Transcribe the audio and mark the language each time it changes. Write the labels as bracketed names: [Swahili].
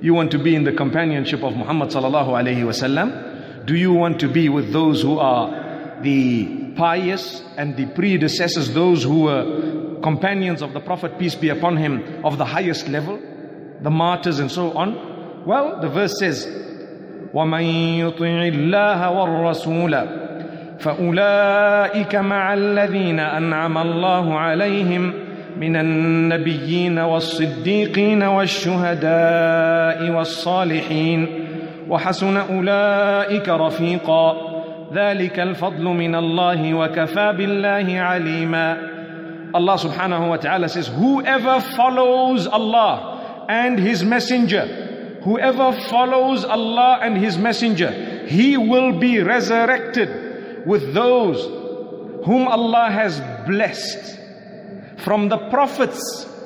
[English] You want to be in the companionship of Muhammad sallallahu alayhi wa sallam? Do you want to be with those who are the pious and the predecessors, those who were companions of the Prophet, peace be upon him, of the highest level, the martyrs and so on? Well, the verse says, [Arabic] وَمَن يُطِعِ اللَّهَ وَالرَّسُولَ فَأُولَٰئِكَ مَعَ الَّذِينَ أَنْعَمَ اللَّهُ عَلَيْهِمْ مِنَ النَّبِيِّينَ وَالصِّدِّيقِينَ وَالشُّهَدَاءِ وَالصَّالِحِينَ وحسن أولئك رفيقا. ذلك الفضل من الله وكفى بالله عليما. [English] Allah subhanahu wa ta'ala says, whoever follows Allah and His Messenger, whoever follows Allah and His Messenger, he will be resurrected with those whom Allah has blessed from the prophets.